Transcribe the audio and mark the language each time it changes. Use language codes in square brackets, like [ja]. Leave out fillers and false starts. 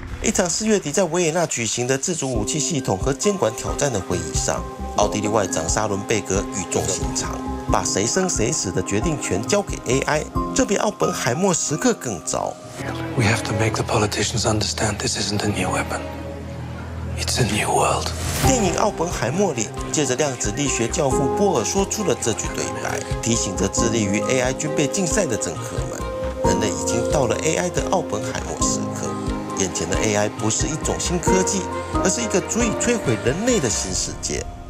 [zh] 一场四月底在维也纳举行的自主武器系统和监管挑战的会议上，奥地利外长沙伦贝格语重心长，把谁生谁死的决定权交给 AI， 这比奥本海默时刻更糟。 [en] We have to make the politicians understand this isn't a new weapon. It's a new world. [zh] 电影《奥本海默》里，借着量子力学教父波尔说出了这句对白，提醒着致力于 AI 军备竞赛的政客们。人类已经到了 AI 的奥本海默时刻，眼前的 AI 不是一种新科技，而是一个足以摧毁人类的新世界。